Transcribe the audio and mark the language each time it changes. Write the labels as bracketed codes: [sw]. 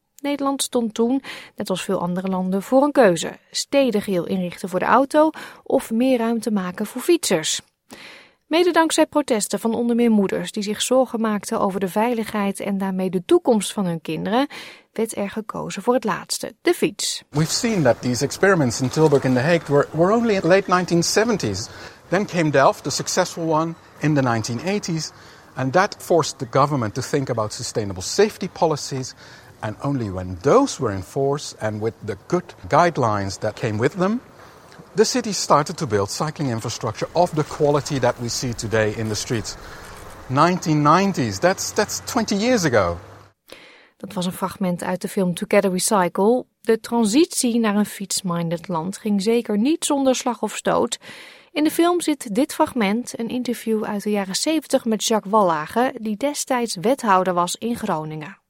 [nl] Nederland stond toen, net als veel andere landen, voor een keuze. Stedengeheel inrichten voor de auto of meer ruimte maken voor fietsers. Mede dankzij protesten van onder meer moeders die zich zorgen maakten over de veiligheid en daarmee de toekomst van hun kinderen, werd er gekozen voor het laatste, de fiets. [en] We've seen that these experiments in Tilburg and The Hague were only in the late 1970s. Then came Delft, the successful one, in the 1980s. And that forced the government to think about sustainable safety policies. And only when those were in force and with the good guidelines that came with them, the city started to build cycling infrastructure of the quality that we see today in the streets. 1990s, that's 20 years ago. [nl] Dat was een fragment uit de film Together We Cycle. De transitie naar een fiets-minded land ging zeker niet zonder slag of stoot. In de film zit dit fragment, een interview uit de jaren 70 met Jacques Wallage, die destijds wethouder was in Groningen.